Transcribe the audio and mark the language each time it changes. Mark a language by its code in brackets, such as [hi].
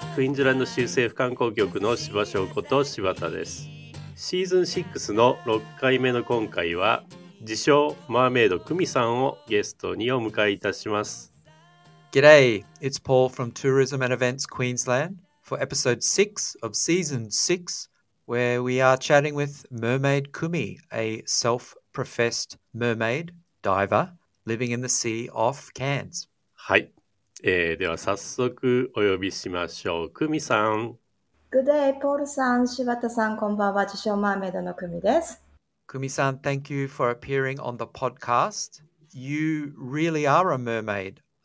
[ja] クイーンズランド州政府観光局の柴翔こと柴田です。シーズン6の6回目の今回は自称マーメイドクミさんをゲストにお迎えいたします。 [en] G'day, it's Paul from Tourism and Events Queensland for episode 6 of season 6 where we are chatting with Mermaid Kumi, a self-professed mermaid diver living in the sea off Cairns. [ja] はい、では早速お呼びしましょう。クミさん。 [en] Good day, [ja] Paul さん、柴田さん、こんばんは。自称マーメイドのクミです。 [en] クミさん、thank you for appearing on the podcast. You really are a mermaid.